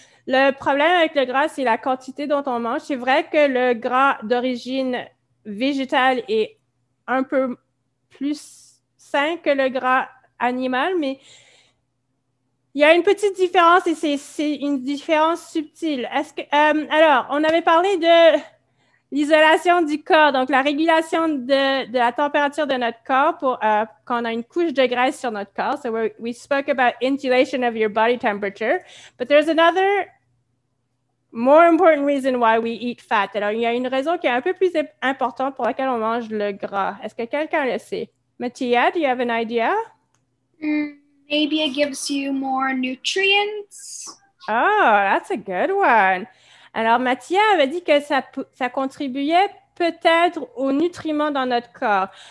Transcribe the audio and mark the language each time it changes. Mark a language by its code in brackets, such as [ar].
[fr] Le problème avec le gras, c'est la quantité dont on mange. C'est vrai que le gras d'origine végétale est un peu plus sain que le gras animal, mais il y a une petite différence et c'est une différence subtile. Est-ce que, alors, on avait parlé de l'isolation du corps, donc la régulation de la température de notre corps pour quand on a une couche de graisse sur notre corps. [en] So we spoke about insulation of your body temperature, but there's another more important reason why we eat fat. [fr] Alors, il y a une raison qui est un peu plus importante pour laquelle on mange le gras. Est-ce que quelqu'un le sait? Mattia, [en] do you have an idea? Maybe it gives you more nutrients. Oh, that's a good one. [fr] Alors, Mattia avait dit que ça contribuait peut-être aux nutriments dans notre corps.